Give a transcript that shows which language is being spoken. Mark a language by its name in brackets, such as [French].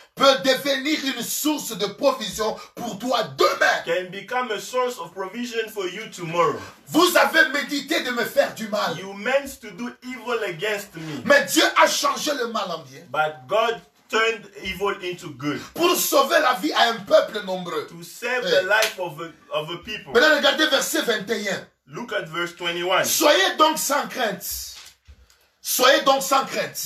[French] peut devenir une source de provision pour toi demain. [English] Can become a source of provision for you tomorrow. [French] Vous avez médité de me faire du mal. [English] You meant to do evil against me. [French] Mais Dieu a changé le mal en bien. [English] But God turned evil into good. [French] Pour sauver la vie à un peuple nombreux. [English] To save the life of a people. [French] Maintenant, regardez verset 21. [English] Look at verse 21. [French] Soyez donc sans crainte. Soyez donc sans crainte.